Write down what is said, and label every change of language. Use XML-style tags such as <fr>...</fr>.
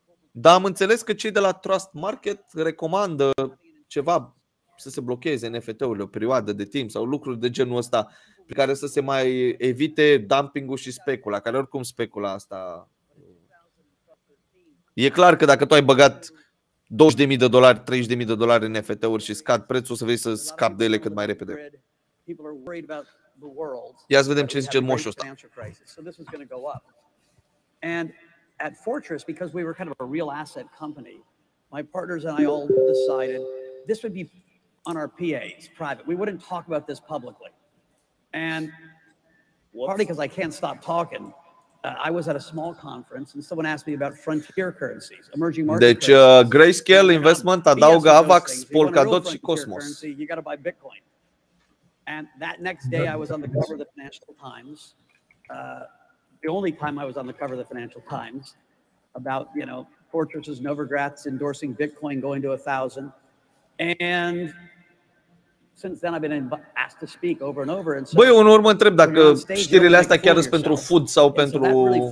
<ro>Dar am înțeles că cei de la Trust Market recomandă ceva să se blocheze NFT-urile o perioadă de timp sau lucruri de genul ăsta, prin care să se mai evite dumpingul și specula, care oricum specula asta. E clar că dacă tu ai băgat 20.000 de dolari, 30.000 de dolari în NFT-uri și scad prețul, să vrei să scapi de ele cât mai repede. Ia să vedem ce zice moșul ăsta.</ro> <en>And at Fortress, because we were kind of a real asset company, my partners and I all decided this would be on our PAs, private. We wouldn't talk about this publicly. And partly because I can't stop talking, I was at a small conference and someone asked me about frontier currencies, emerging markets.</en> <ro>Deci Grayscale Investment adaugă AVAX, Polkadot și Cosmos.</ro> <en>You got to buy Bitcoin. And that next day I was on the cover of the Financial Times. The only time I was on the cover of the Financial Times about, you know, Fortress's Novogratz endorsing Bitcoin going to 1,000. And since then I've been asked to speak over and over and so.</en> <ro>Băi, unor mă întreb dacă știrile astea chiar sunt pentru food sau pentru.</ro>